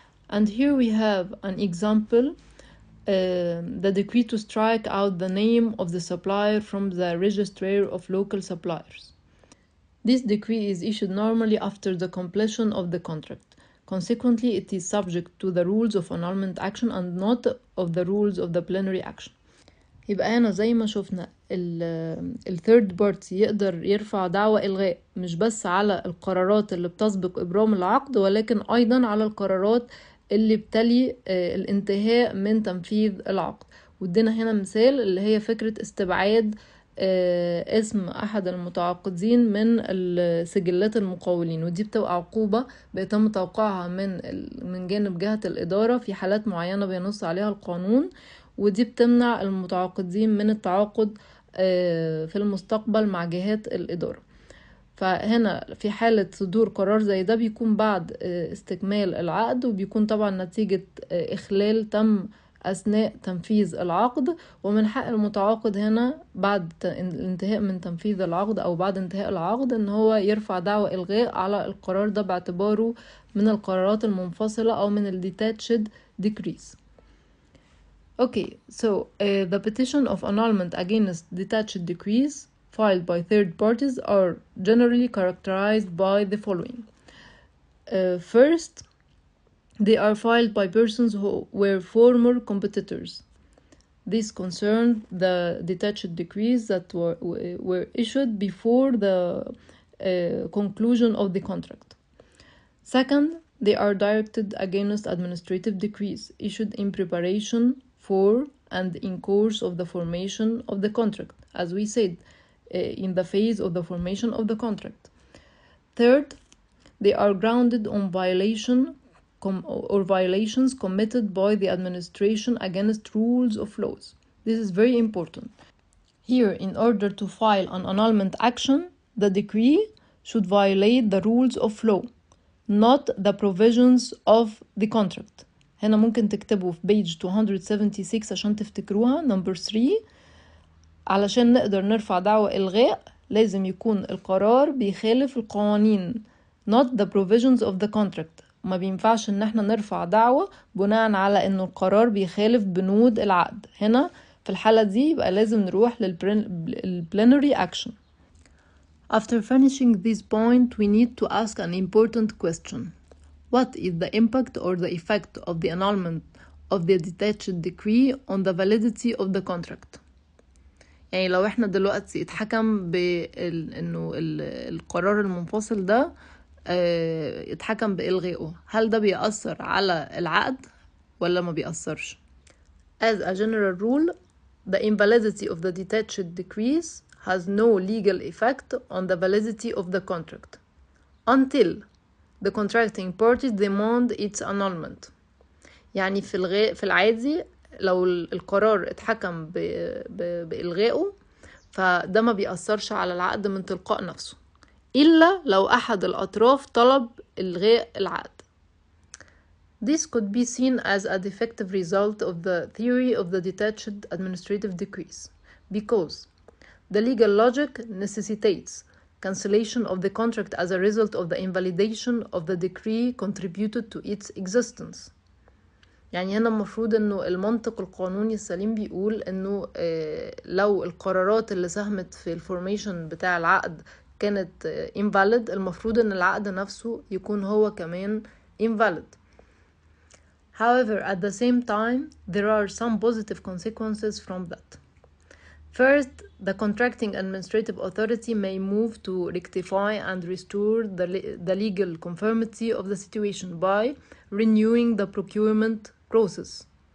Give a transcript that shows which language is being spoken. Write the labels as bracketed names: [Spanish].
[English] And here we have an example. The decree to strike out the name of the supplier from the register of local suppliers. This decree is issued normally after the completion of the contract. Consequently, it is subject to the rules of annulment action and not of the rules of the plenary action. [Arabic] يبقى هنا زي ما شفنا الـ third party يقدر يرفع دعوى إلغاء مش بس على القرارات اللي بتسبق إبرام العقد، ولكن أيضا على القرارات اللي بتلي الانتهاء من تنفيذ العقد. ودينا هنا مثال اللي هي فكرة استبعاد اسم أحد المتعاقدين من سجلات المقاولين، ودي بتبقى عقوبة بيتم توقيعها من جانب جهة الإدارة في حالات معينة بينص عليها القانون، ودي بتمنع المتعاقدين من التعاقد في المستقبل مع جهات الإدارة. فهنا في حالة صدور قرار زي ده بيكون بعد استكمال العقد، وبيكون طبعا نتيجة إخلال تم أثناء تنفيذ العقد، ومن حق المتعاقد هنا بعد الانتهاء من تنفيذ العقد أو بعد انتهاء العقد إن هو يرفع دعوى إلغاء على القرار ده باعتباره من القرارات المنفصلة أو من الـ detached decrees. [English] Okay, so the petition of annulment against detached decrees filed by third parties are generally characterized by the following. First, they are filed by persons who were former competitors. This concerned the detached decrees that were issued before the conclusion of the contract. Second, they are directed against administrative decrees issued in preparation for and in course of the formation of the contract, as we said, in the phase of the formation of the contract. Third, they are grounded on violation or violations committed by the administration against rules of laws. This is very important. Here, in order to file an annulment action, the decree should violate the rules of law, not the provisions of the contract. [Arabic] هنا ممكن تكتبوا في page 276 عشان تفتكروها number 3. علشان نقدر نرفع دعوة إلغاء لازم يكون القرار بيخالف القوانين [English] not the provisions of the contract. [Arabic] ما بينفعش ان احنا نرفع دعوة بناء على انه القرار بيخالف بنود العقد. هنا في الحالة دي بقى لازم نروح للplenary action. [English] After finishing this point, we need to ask an important question. What is the impact or the effect of the annulment of the detached decree on the validity of the contract? [Arabic] يعني لو احنا دلوقتي اتحكم بانه القرار المنفصل ده اتحكم بإلغائه، هل ده بيأثر على العقد ولا ما بيأثرش؟ [English] As a general rule, the invalidity of the detached decrees has no legal effect on the validity of the contract until the contracting parties demand its annulment. [Arabic] يعني في العادي لو القرار اتحكم بإلغائه فده ما بيأثرش على العقد من تلقاء نفسه إلا لو أحد الأطراف طلب إلغاء العقد. [English] This could be seen as a defective result of the theory of the detached administrative decrees because the legal logic necessitates cancellation of the contract as a result of the invalidation of the decree contributed to its existence. [Arabic] يعني هنا المفروض إنه المنطق القانوني السليم بيقول إنه لو القرارات اللي ساهمت في الفورميشن بتاع العقد كانت invalid المفروض ان العقد نفسه يكون هو كمان invalid. [English] However, at the same time, there are some positive consequences from that. First, the contracting administrative authority may move to rectify and restore the legal conformity of the situation by renewing the procurement process.